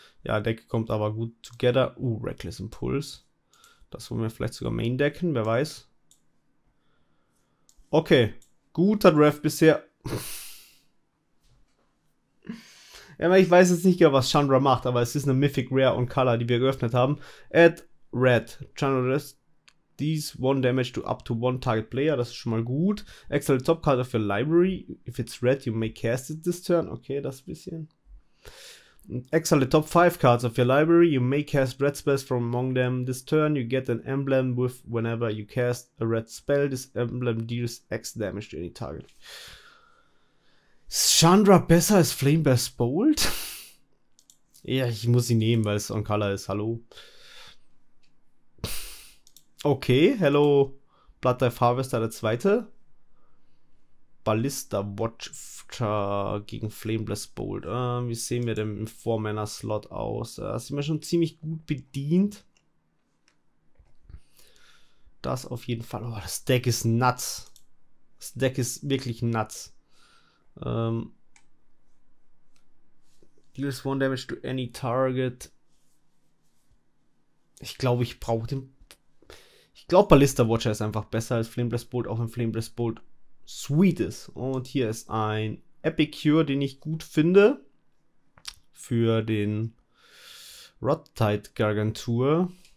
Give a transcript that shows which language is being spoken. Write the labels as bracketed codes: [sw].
[de] Ja, Deck kommt aber gut together. Reckless Impulse. Das wollen wir vielleicht sogar Main decken, wer weiß. Okay, guter Draft bisher. Ja, ich weiß jetzt nicht genau, was Chandra macht, aber es ist eine Mythic Rare und Color, die wir geöffnet haben. [en] Add Red. Chandra does one damage to up to one target player. [de] Das ist schon mal gut. [en] Exile top card of your library. If it's red, you may cast it this turn. [de] Okay, das ist ein bisschen. [en] Exile the top 5 cards of your library. You may cast red spells from among them this turn. You get an emblem with whenever you cast a red spell. This emblem deals X damage to any target. [de] Ist Chandra besser als Flameless Bolt? Ja, ich muss sie nehmen, weil es on color ist. Hallo. Okay, hello. Blood Dive Harvester, der zweite. Ballista Watcher gegen Flameless Bolt. Wie sehen wir denn im Four-Mana-Slot aus? Da sind wir schon ziemlich gut bedient. Das auf jeden Fall. Oh, das Deck ist nuts. Das Deck ist wirklich nuts. [en] Deals one damage to any target. [de] Ich glaube, ich brauche den. Ich glaube, Ballista Watcher ist einfach besser als Flameless Bolt, auch wenn Flameless Bolt sweet ist. Und hier ist ein Epicure, den ich gut finde. Für den Rot-Tide Gargantua.